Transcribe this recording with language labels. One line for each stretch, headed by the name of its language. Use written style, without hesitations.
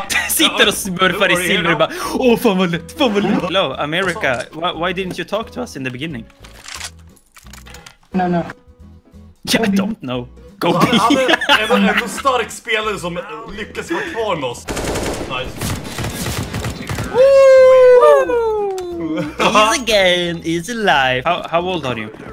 Swedish: Sitter och smurfar i silver bara. Åh, fan vad lätt.
English: Hello, America. Why didn't you talk to us in the beginning? No. I don't know. Go B.
Swedish: Är en stark spelare som lyckas vara kvar med oss.
English: Nice. Woo! Easy game, easy life. How old are you?